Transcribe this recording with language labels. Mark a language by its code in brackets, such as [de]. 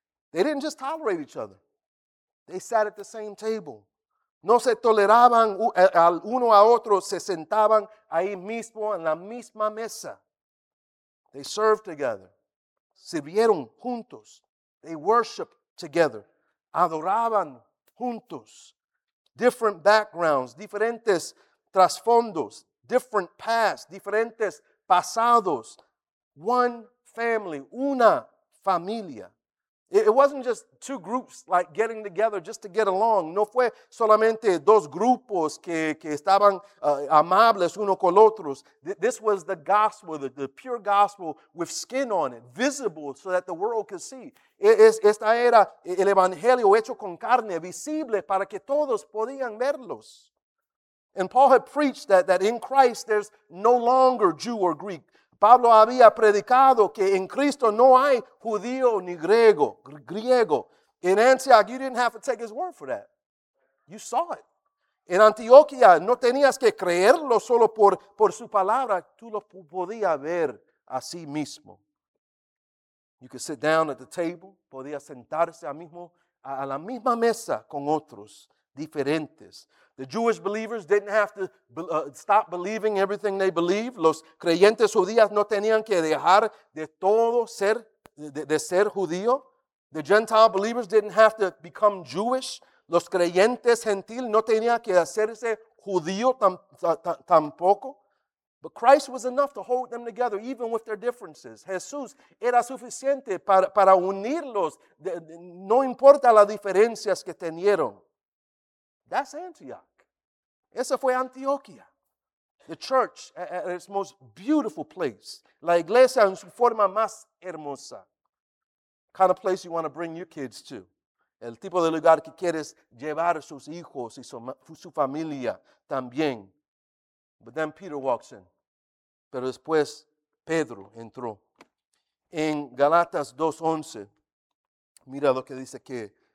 [en] They didn't just tolerate each other. They sat at the same table. [es] No se toleraban al uno a otro, se sentaban ahí mismo en la misma mesa. [en] They served together. [es] Sirvieron juntos. [en] They worshiped together. [es] Adoraban juntos. [en] Different backgrounds, [es] diferentes trasfondos, [en] different pasts, [es] diferentes pasados. [en] One family, [es] una familia. [en] It wasn't just two groups like getting together just to get along. [es] No fue solamente dos grupos que estaban amables uno con otros. [en] This was the gospel, the pure gospel with skin on it, visible so that the world could see. [es] Esta era el evangelio hecho con carne, visible para que todos podían verlos. [en] And Paul had preached that in Christ there's no longer Jew or Greek. [es] Pablo había predicado que en Cristo no hay judío ni griego. [en] In Antioch, you didn't have to take his word for that. You saw it. [es] En Antioquia, no tenías que creerlo solo por su palabra. Tú lo podías ver a sí mismo. [en] You could sit down at the table. [es] Podías sentarse a la misma mesa con otros diferentes. [en] The Jewish believers didn't have to stop believing everything they believed. [es] Los creyentes judíos no tenían que dejar de todo ser de ser judío. [en] The Gentile believers didn't have to become Jewish. [es] Los creyentes gentil no tenían que hacerse judío tampoco. [en] But Christ was enough to hold them together, even with their differences. [es] Jesús era suficiente para unirlos, no importa las diferencias que tenieron. [en] That's Antioch. [es] Esa fue Antioquia, [en] the church at its most beautiful place. [es] La iglesia en su forma más hermosa. [en] Kind of place you want to bring your kids to. [es] El tipo de lugar que quieres llevar a sus hijos y su familia también. [en] But then Peter walks in. [es] Pero después Pedro entró. En Galatas 2:11, mira lo que dice que.